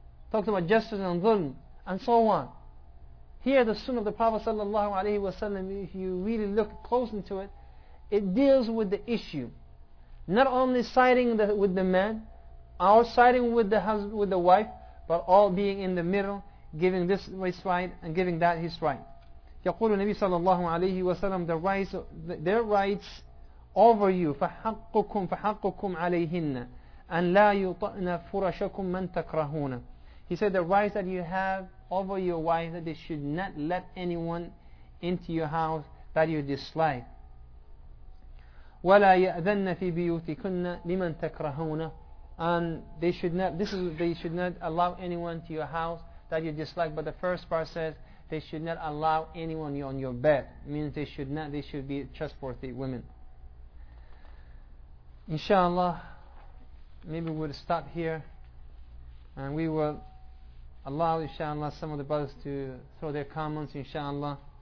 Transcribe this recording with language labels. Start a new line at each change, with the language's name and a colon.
English: Talks about justice and Dhulm, and so on. Here, the Sunnah of the Prophet sallallahu alaihi wasallam, if you really look close into it, it deals with the issue. Not only siding with the man, or siding with the husband, with the wife, but all being in the middle, giving this his right and giving that his right.
Arabic: يقول النبي صلى الله عليه وسلم,
English: the rights, their rights over you,
Arabic: فحقكم عليهن أن لا يطأن فرشكم من تكرهون.
English: He said, the rights that you have over your wife, that they should not let anyone into your house that you dislike.
Arabic: ولا يأذن في بيوتكن لمن تكرهون.
English: And they should not allow anyone to your house that you dislike. But the first part says, they should not allow anyone on your bed. Means they should be trustworthy women. Inshallah, maybe we'll stop here, and we will allow, inshallah, some of the brothers to throw their comments, inshallah.